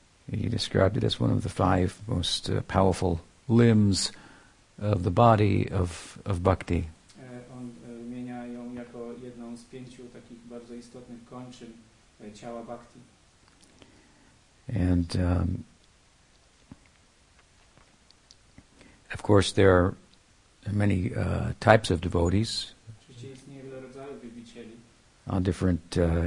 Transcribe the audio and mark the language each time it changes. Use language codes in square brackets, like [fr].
[en] He described it as one of the five most powerful limbs of the body of bhakti. [pl] On wymienia ją jako jedną z pięciu takich bardzo istotnych kończyn ciała bhakti. [en] And of course there are many types of devotees. [pl] Oczywiście istnieje wiele rodzajów wielbicieli.